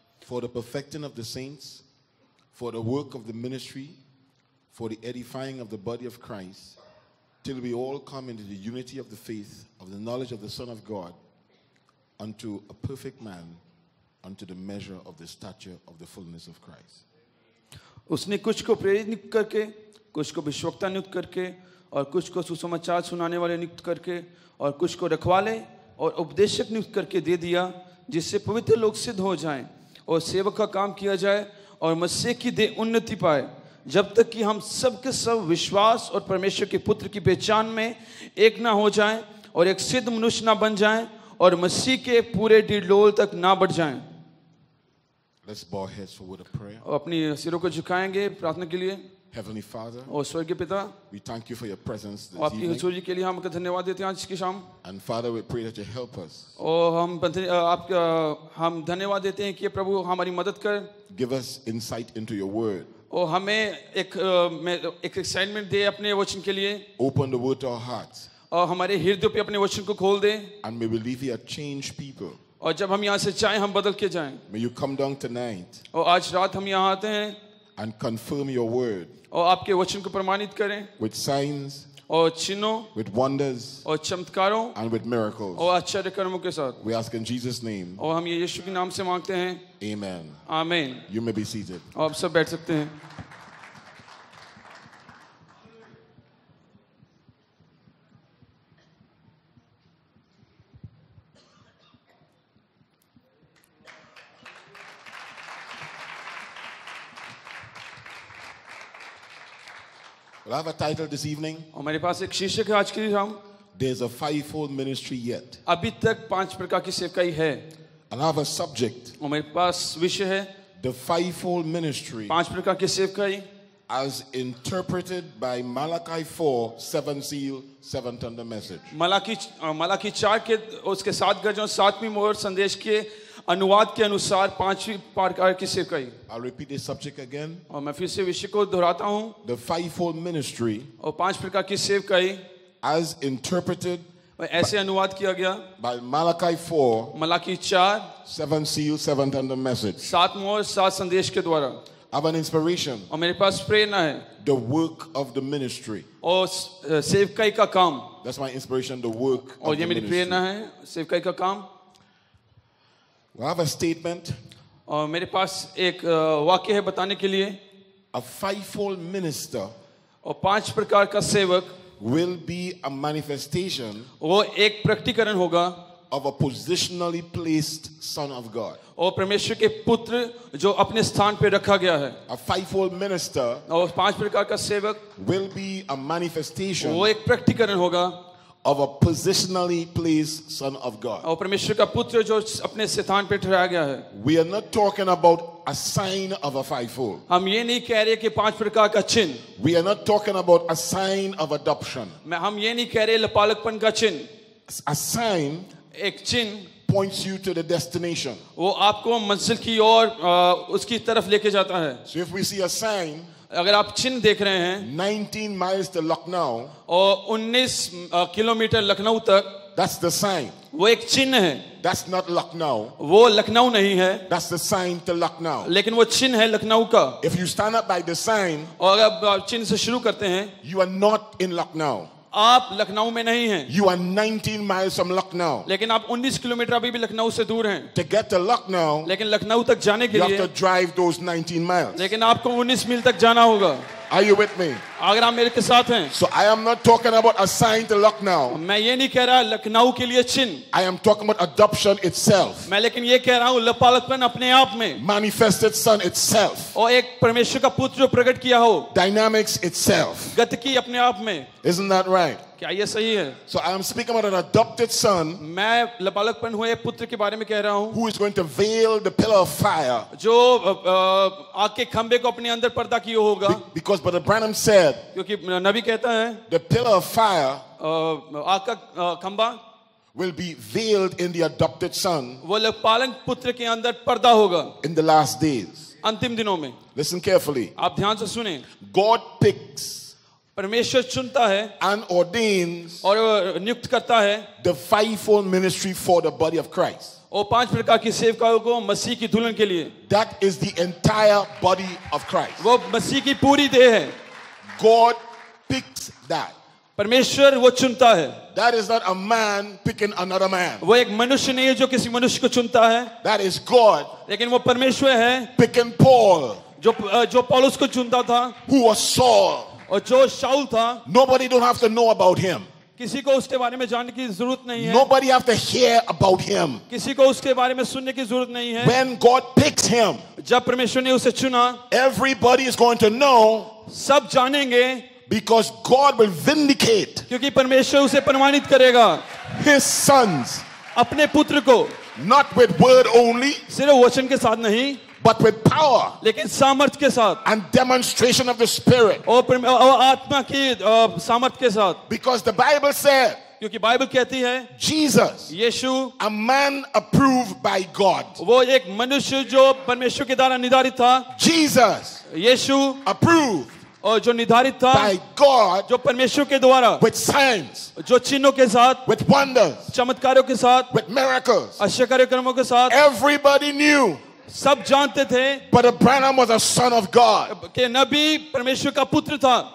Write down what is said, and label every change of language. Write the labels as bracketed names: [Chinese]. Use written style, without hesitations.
[English] for the perfecting of the saints, for the work of the ministry, for the edifying of the body of Christ, till we all come into the unity of the faith, of the knowledge of the Son of God, unto a perfect man, unto the measure of the stature of the fullness of Christ. [Hindi] उसने कुछ को प्रेरित नियुक्त करके, कुछ को भविष्यवक्ता नियुक्त करके, और कुछ को सुसमाचार सुनाने वाले नियुक्त करके, और कुछ को रखवाले और उपदेशक नियुक्त करके दे दिया, जिससे पवित्र लोग सिद्ध हो जाएं और सेवक का काम किया जाए और मसीह की देह उन्नति पाए, जब तक कि हम सब के सब विश्वास और परमेश्वर के पुत्र की पहचान में एक ना हो जाएं और एक सिद्ध मनुष्य ना बन जाएं और मसीह के पूरे डिडोल तक ना बढ़ जाएं। [English] Let's bow our heads forward a prayer. [Hindi] और अपनी सिरों को झुकाएंगे प्रार्थना के लिए। [English] Heavenly Father, [Hindi] और स्वर्गीय पिता, [English] we thank you for your presence this [Hindi] और आपकी हुजूरी के लिए हम आपका धन्यवाद देते हैं आज की शाम। [English] And Father, we pray that you help us. [Hindi] और हम हम धन्यवाद देते हैं कि प्रभु हमारी मदद कर। [English] Give us insight into your word. [Hindi] और हमें एक assignment दे अपने वचन के लिए। [English] Open the word to our hearts. [Hindi] और हमारे हृदयों पे अपने वचन को खोल दे। [English] And may we leave here changed people. [Hindi] और जब हम यहाँ से जाएं हम बदल के जाएं। [English] May you come down tonight. [Hindi] और आज रात हम यहाँ आते हैं। [English] And confirm your word. [Hindi] और आपके वचन को प्रमाणित करें। [English] With signs. [Hindi] और चिन्हों। [English] With wonders. [Hindi] और चमत्कारों। [English] And with miracles. [Hindi] और आश्चर्य कर्मों के साथ। [English] We ask in Jesus' name. [Hindi] और हम ये यीशु के नाम से मांगते हैं। [English] Amen. Amen. You may be seated. [Hindi] और आप सब बैठ सकते हैं। [English] I have a title this evening. [Hindi] और मेरे पास एक शीर्षक है आज के लिए हम. [English] There's a fivefold ministry yet. [Hindi] अभी तक पांच प्रकार की सेवकाई है. [English] And I have a subject. [Hindi] और मेरे पास विषय है. [English] The fivefold ministry. [Hindi] पांच प्रकार की सेवकाई. [English] As interpreted by Malachi 4, seven seal, seven thunder message. [Hindi] Malachi चार के उसके सात गजों सातवीं मोहर संदेश के अनुवाद के अनुसार पांचवी प्रकार की सेवकाई। [English] I'll repeat this subject again. [Hindi] और मैं फिर से विषय को दोहराता हूँ। [English] The fivefold ministry. [Hindi] और पांच प्रकार की सेवकाई। [English] As interpreted. [Hindi] ऐसे अनुवाद किया गया। [English] By Malachi 4. [Hindi] मलाकी चार। [English] Seven seal, seven thunder message. [Hindi] सात मोहर सात संदेश के द्वारा। [English] I have an inspiration. [Hindi] और मेरे पास प्रेरणा है। [English] The work of the ministry. [Hindi] और सेवकाई का काम। [English] That's my inspiration. The work of the ministry. [Hindi] और ये मेरी प्रेरणा है सेवकाई का काम। [English] I have a statement. [Hindi] और मेरे पास एक वाक्य है बताने के लिए। [English] A fivefold minister. [Hindi] और पांच प्रकार का सेवक। [English] Will be a manifestation. [Hindi] वो एक प्रकटीकरण होगा। [English] Of a positionally placed son of God. [Hindi] और परमेश्वर के पुत्र जो अपने स्थान पे रखा गया है। [English] A fivefold minister. [Hindi] और पांच प्रकार का सेवक। [English] Will be a manifestation. [Hindi] वो एक प्रकटीकरण होगा। [English] Of a positionally placed son of God. [Hindi] और परमेश्वर का पुत्र जो अपने स्थान पे ठहराया गया है। [English] We are not talking about a sign of a fivefold. [Hindi] हम ये नहीं कह रहे कि पांच प्रकार का चिन्ह। [English] We are not talking about a sign of adoption. [Hindi] हम ये नहीं कह रहे लपालकपन का चिन्ह। [English] A sign. [Hindi] एक चिन्ह। [English] Points you to the destination. [Hindi] वो आपको मंजिल की ओर उसकी तरफ लेके जाता है। [English] So if we see a sign. [Hindi] अगर आप चिन्ह देख रहे हैं [English] 19 miles to Lucknow, [Hindi] और 19 किलोमीटर लखनऊ तक [English] that's the sign. [Hindi] वो एक चिन्ह है [English] that's not Lucknow. [Hindi] वो लखनऊ नहीं है [English] that's the sign to Lucknow. [Hindi] लेकिन वो चिन्ह है लखनऊ का [English] If you stand up by the sign, [Hindi] और अगर आप चिन्ह से शुरू करते हैं [English] you are not in Lucknow. [Hindi] आप लखनऊ में नहीं हैं। [English] You are 19 miles from Lucknow. [Hindi] लेकिन आप 19 किलोमीटर अभी भी लखनऊ से दूर हैं। [English] To get to Lucknow, [Hindi] लेकिन लखनऊ तक जाने के लिए, [English] you have to drive those 19 miles. [Hindi] लेकिन आपको 19 मील तक जाना होगा। [English] Are you with me? [Hindi] अगर आप मेरे के साथ हैं। [English] So I am not talking about a sign to Lucknow. [Hindi] मैं ये नहीं कह रहा लखनऊ के लिए चिन्ह। [English] I am talking about adoption itself. [Hindi] मैं लेकिन ये कह रहा हूँ लपालकपन अपने आप में। [English] Manifested son itself. [Hindi] और एक परमेश्वर का पुत्र जो प्रकट किया हो। [English] Dynamics itself. [Hindi] गतिकी अपने आप में। [English] Isn't that right? [Hindi] क्या ये सही है? [English] So I am speaking about an adopted son. [Hindi] मैं लपालकपन हुए पुत्र के बारे में कह रहा हूँ। [English] Who is going to veil the pillar of fire? [Hindi] जो आग के खंभे को अपने अंदर पर्दा किए होगा। [English] Because Brother Branham said. [Hindi] क्योंकि नबी कहता है। [English] The pillar of fire. [Hindi] आग का खंभा। [English] Will be veiled in the adopted son. [Hindi] वो लपालक पुत्र के अंदर पर्दा होगा। [English] In the last days. [Hindi] अंतिम दिनों में। [English] Listen carefully. [Hindi] आप ध्यान से सुनें। [English] God picks. [Hindi] परमेश्वर चुनता है [English] and ordains [Hindi] और नियुक्त करता है [English] the fivefold ministry for the body of Christ [Hindi] और पांच प्रकार की सेवकाओं को मसीह की दुल्हन के लिए. [English] That is the entire body of Christ. [Hindi] वो मसीह की पूरी देह है. [English] God picks that. [Hindi] परमेश्वर वो चुनता है. [English] That is not a man picking another man. [Hindi] वो एक मनुष्य नहीं है जो किसी मनुष्य को चुनता है. [English] That is God. [Hindi] लेकिन वो परमेश्वर है. [English] Picking Paul. [Hindi] जो पौलुस को चुनता था. [English] Who was Saul. [Hindi] और जो शाऊल था. [English] Nobody don't have to know about him. [Hindi] किसी को उसके बारे में जानने की जरूरत नहीं है. [English] Nobody have to hear about him. [Hindi] किसी को उसके बारे में सुनने की जरूरत नहीं है. [English] When God picks him. [Hindi] जब परमेश्वर ने उसे चुना. [English] Everybody is going to know. [Hindi] सब जानेंगे. [English] Because God will vindicate. [Hindi] क्योंकि परमेश्वर उसे प्रमाणित करेगा. [English] His sons. [Hindi] अपने पुत्र को. [English] Not with word only. [Hindi] सिर्फ वचन के साथ नहीं. [English] But with power. [Hindi] लेकिन सामर्थ के साथ. [English] And demonstration of the Spirit. [Hindi] और आत्मा की सामर्थ के साथ. [English] Because the Bible said. [Hindi] क्योंकि बाइबल कहती है. [English] Jesus. [Hindi] Yeshu. [English] A man approved by God. [Hindi] वो एक मनुष्य जो परमेश्वर के द्वारा निर्धारित था. [English] Jesus. [Hindi] यीशु. [English] Approved. [Hindi] और जो निर्धारित था. [English] By God. [Hindi] जो परमेश्वर के द्वारा. [English] With signs. [Hindi] जो चिन्हों के साथ. [English] With wonders. [Hindi] चमत्कारों के साथ. [English] With miracles. [Hindi] आश्चर्य कार्यक्रमों के साथ. [English] Everybody knew. [Hindi] सब जानते थे. [English] But Abraham was a son of God. [Hindi] के नबी परमेश्वर का पुत्र था.